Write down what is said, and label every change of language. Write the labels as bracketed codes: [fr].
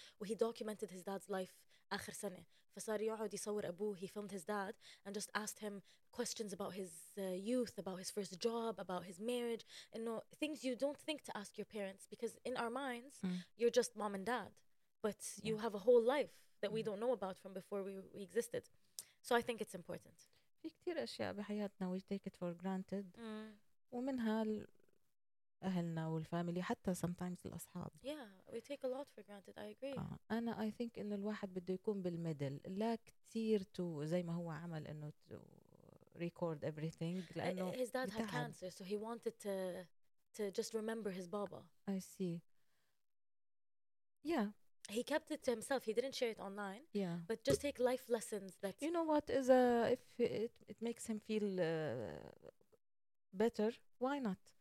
[en] Well, he documented his dad's life [ar] آخر سنة. فصار يقعد يصور أبوه, [en] he filmed his dad and just asked him questions about his youth, about his first job, about his marriage, and you know, things you don't think to ask your parents, because in our minds, you're just mom and dad, but you have a whole life that we don't know about from before we existed. So I think it's important. [ar] في كتير أشياء بحياتنا [en] we take it for granted, [ar] ومنها أهلنا والفاميلي, حتى sometimes الأصحاب. [en] Yeah, we take a lot for granted, I agree. [ar] أنا I think إنه الواحد بده يكون بالميدل, لا كتير to زي ما هو عمل إنه [en] to record everything, [ar] لأنه [en] his dad had cancer, so he wanted to just remember his baba. I see. Yeah. He kept it to himself. He didn't share it online. Yeah. But just take life lessons that... You know what? Is if it makes him feel better, why not?